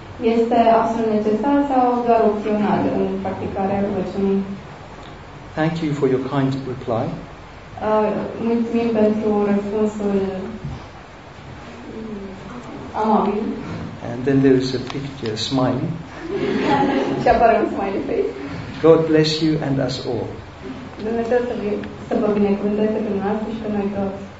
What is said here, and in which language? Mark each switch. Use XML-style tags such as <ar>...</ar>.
<ro>Este absolut necesar sau doar opțional în practicarea rugăciunii?</ro> <en>Thank you for your kind reply.</en> <ro>Mulțumim pentru răspunsul amabil.</ro> <en>And then there is a picture smiling.</en> <ro>Și apare un smiley face.</ro> <en>God bless you and us all.</en> <ro>Dumnezeu să vă binecuvânteze pe noi și pe noi toți.</ro>